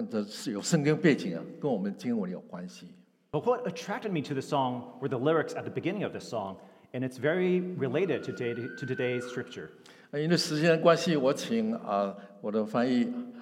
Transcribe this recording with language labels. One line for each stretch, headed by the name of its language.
Chinese: 但最吸引我注意的是这首歌开头的几句话，这些话根据这个里头的，跟着是有圣经背景啊，跟我们经文有关系。
English: But what attracted me to the song were the lyrics at the beginning of the song, and it's very related to today's scripture.
Chinese: 因为时间的关系，我请我的翻译。